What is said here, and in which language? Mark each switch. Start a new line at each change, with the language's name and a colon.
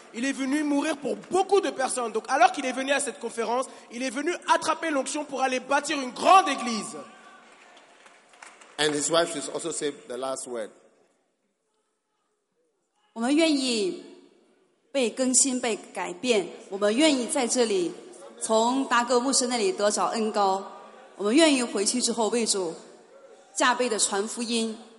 French: Il est venu mourir pour beaucoup de personnes. Donc alors qu'il est venu à cette conférence, il est venu attraper l'onction pour aller bâtir une grande église.
English: And his wife should also say the last word.
Chinese: 我们愿意被更新、被改变。我们愿意在这里从达格牧师那里得着恩膏。我们愿意回去之后为主加倍的传福音。